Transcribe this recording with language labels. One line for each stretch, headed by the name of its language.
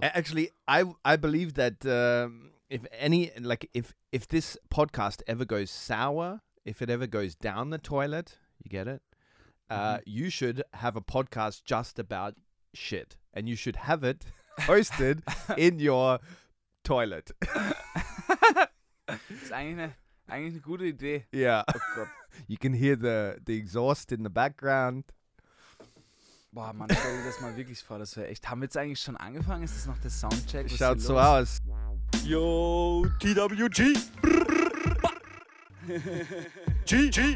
English: Actually, I believe that... if any, like, if this podcast ever goes sour, if it ever goes down the toilet, you get it? Mm-hmm. You should have a podcast just about shit. And you should have it hosted in your toilet. It's
German: eigentlich eine gute Idee.
English: Yeah.
German: Oh Gott.
English: You can hear the exhaust in the background.
German: Boah, man, stell dir das mal wirklich vor. Das wäre echt. Haben wir jetzt eigentlich schon angefangen? Ist das noch der Soundcheck? Was schaut so aus. Yo, TWG. G.